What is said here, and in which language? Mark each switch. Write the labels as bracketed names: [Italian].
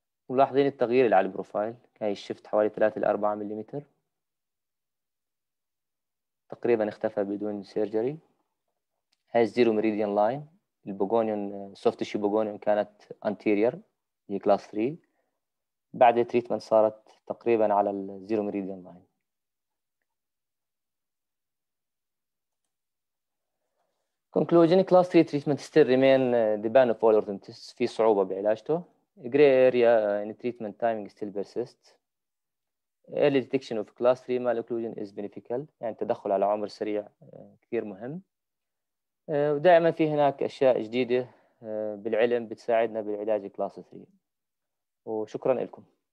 [Arabic] ملاحظين التغيير اللي على البروفايل، كان الشفت حوالي 3 ل 4 ملم تقريبا اختفى بدون سيرجري. هاي الزيرو meridian line، البوغونيون soft tissue بوغونيون كانت anterior هي class 3، بعد التريتمنت صارت تقريبا على الزيرو meridian line. [English] Conclusion: Class 3 treatment still remain the bane of all orthodontists. [Arabic] في صعوبة بعلاجته. [English] Gray area in treatment timing still persists. Early detection of Class 3 malocclusion is beneficial. [Arabic] يعني التدخل على عمر سريع كثير مهم. ودائما في هناك أشياء جديدة بالعلم بتساعدنا بالعلاج Class 3. وشكرا لكم.